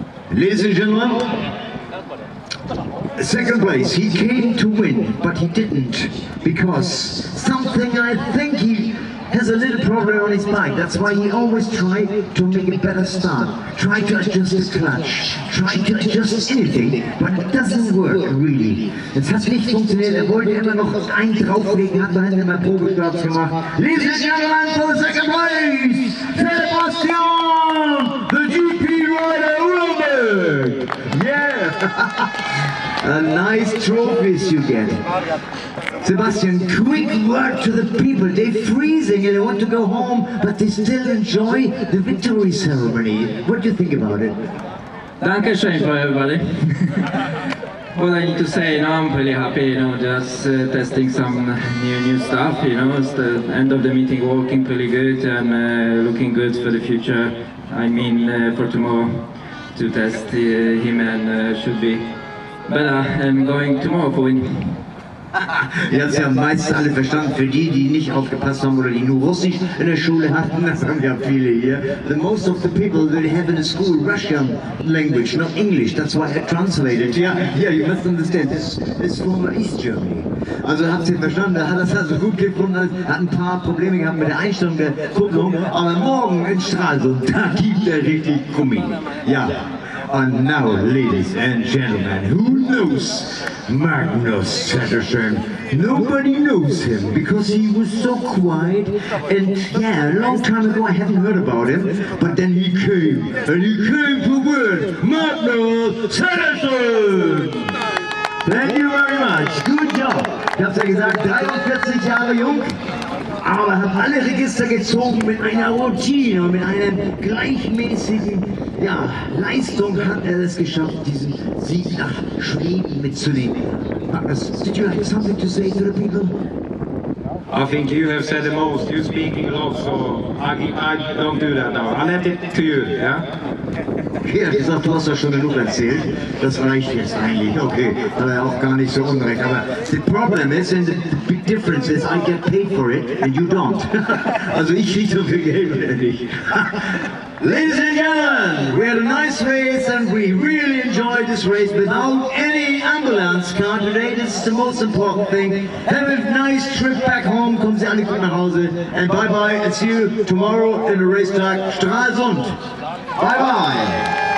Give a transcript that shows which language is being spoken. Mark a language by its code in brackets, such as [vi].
[en] Ladies and gentlemen, second place, he came to win, but he didn't, because something I think he has a little problem on his bike. That's why he always tried to make a better start, try to adjust the clutch, try to adjust anything, but it doesn't work really. [de] Es hat nicht funktioniert, er wollte immer noch einen drauflegen, hat dann immer Probestart gemacht. [en] Ladies and gentlemen, for second place, Sebastian, the GP rider, Uhlenberg! Yeah! A nice trophy you get. Sebastian, quick word to the people. They're freezing and they want to go home, but they still enjoy the victory ceremony. What do you think about it? Danke schön for everybody. What I need to say, you know, I'm really happy, you know, just testing some new stuff, you know. It's the end of the meeting working pretty good and looking good for the future. I mean, for tomorrow to test him and should be. Better, I'm going tomorrow for him. [de] Ihr habt es ja meist alle verstanden. Für die, die nicht aufgepasst haben oder die nur Russisch in der Schule hatten, das haben ja viele hier. The most of the people will have in the school Russian language, not English. That's why I translated. Yeah, you must understand. This is former East Germany. Also habt ihr verstanden, da hat das also gut gefunden, hat ein paar Probleme gehabt mit der Einstellung der Kupplung. Aber morgen in Stralsund, da gibt er richtig Gummi. [en] Ja. And now, ladies and gentlemen, who knows Magnus Sanderson? Nobody knows him because he was so quiet. And yeah, a long time ago, I haven't heard about him. But then he came, and he came to win, Magnus Sanderson! [de] Thank you very much. Good job. Ich hab's ja gesagt, 43 Jahre jung. Aber hat alle Register gezogen mit einer Routine und mit einem gleichmäßigen, ja, Leistung hat es geschafft, diesen Sieg nach Schweden mitzunehmen. [en] Magnus, did you have something to say to the people? I think you have said the most. You speak a lot, so I don't do that now. I'll let it to you, yeah? [de] Ja, gesagt, du hast ja schon genug erzählt. Das reicht jetzt eigentlich. Okay, hat er auch gar nicht so unrecht. [en] Aber the problem is, and the big difference is, I get paid for it and you don't. [de] Also ich kriege so viel Geld wie dich. [en] Ladies and gentlemen, we had a nice race and we really enjoyed this race without any ambulance car today. This is the most important thing. Have a nice trip back home. Kommen Sie alle gut nach Hause. And bye bye and see you tomorrow in the race track Stralsund. Bye bye.